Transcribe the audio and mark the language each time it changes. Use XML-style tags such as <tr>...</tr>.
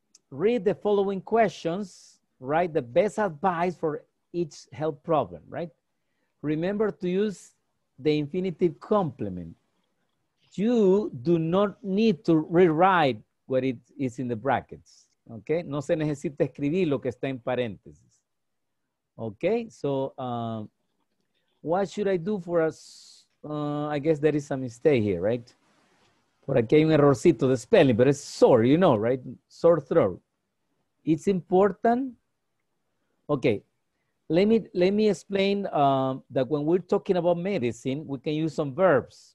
<en>Read the following questions, write the best advice for each health problem, right? Remember to use the infinitive complement. You do not need to rewrite what it is in the brackets, okay?</en> <es>No se necesita escribir lo que está en paréntesis.</es> <en>Okay, so what should I do for us? I guess there is a mistake here, right?</en> <es>Por aquí hay un errorcito de</es> <en>spelling, but it's sore, you know, right? Sore throat. It's important. Okay, let me explain that when we're talking about medicine, we can use some verbs.</en>